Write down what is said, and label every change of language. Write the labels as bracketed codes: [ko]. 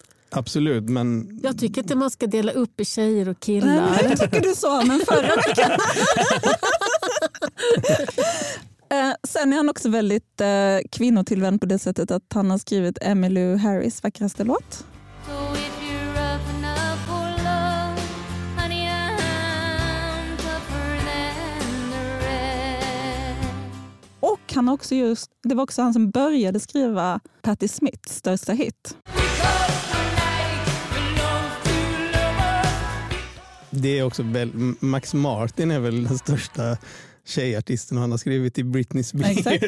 [sv] Absolut, men... Jag tycker inte man ska dela upp i tjejer och killar. Nej, men tycker du så, men förra veckan... sen är han också väldigt kvinnotillvänd på det sättet att han har skrivit Emmylou Harris vackraste låt. [en] So if you're up enough for love, honey, I'm tougher than the rest. [sv] Och han har också just, det var också han som började skriva Patti Smiths största hit. Det är också Max Martin är väl den största tjejartisten och han har skrivit i Britney Spears.